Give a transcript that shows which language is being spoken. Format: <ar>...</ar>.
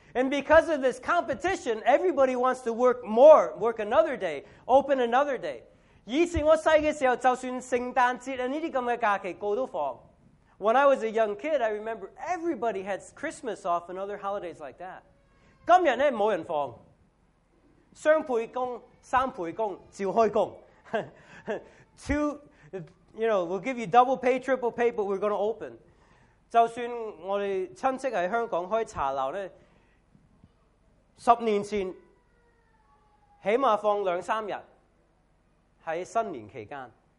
<en>And because of this competition, everybody wants to work more, work another day, open another day.</en> <yue>以前我小的時候，就算聖誕節這些假期，個個都放。</yue> <en>When I was a young kid, I remember everybody had Christmas off and other holidays like that.</en> <yue>今日呢，冇人放。雙倍工、三倍工，照開工。</yue> <en>Two, you know, we'll give you double pay, triple pay, but we're going to open.</en> <yue>就算我哋親戚喺香港開茶樓呢，十年前，起碼放兩三日，喺新年期間。</yue>